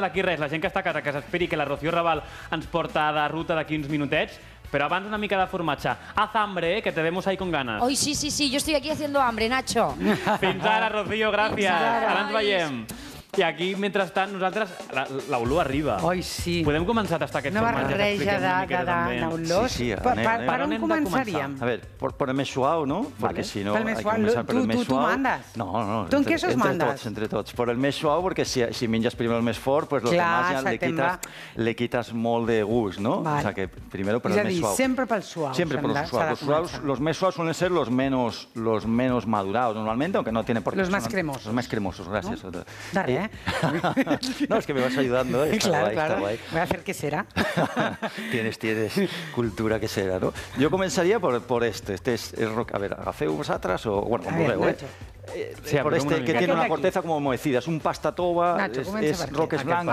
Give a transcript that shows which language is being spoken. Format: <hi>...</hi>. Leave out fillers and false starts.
<ca>D'aquí res, la gent que està a casa, que s'esperi que la Rocío Raval ens porta de ruta d'aquí uns minutets. Però abans una mica de formatge.</ca> <es>Haz hambre, que te vemos ahí con ganas. Ai, sí, sí, sí, yo estoy aquí haciendo hambre, Nacho.</es> <ca>Fins ara, Rocío, gràcies. Ara ens veiem. I aquí, mentrestant, nosaltres... L'olor arriba. Ai, sí. Podem començar a tastar aquest formatge? Una barreja d'olor. Sí, sí, anem. Per on començaríem? A veure, per més suau, no? Perquè si no,</ca> <es>hay que</es> <ca>començar per el més suau. Tu mandes? No, no, no. Tu en què sos mandes? Entre tots, entre tots. Per el més suau, perquè si menges primer el més fort, doncs el que ja li quites molt de gust, no? O sigui, primer per el més suau. És a dir, sempre pel suau. Sempre pel suau. Els suaus, els més suaus</ca> <es>suelen ser</es> <ca>els menys madurats, normalment,</ca> <es>aunque no tiene por qué. Los más cremosos. Los más cremosos, gracias.</es> <ca>De res.</ca> <es>No, es que me vas ayudando. Está claro, guay, claro. Está guay. Voy a hacer quesera. Tienes cultura quesera, ¿no? Yo comenzaría por este. Este es el rock. A ver,</es> <ca>¿agafeu</ca> <es>vosotras o...? Bueno, como veo, ¿eh? Sí, por este, que tiene una corteza como mohecida. Es un pasta tova, es roques blanques...</es>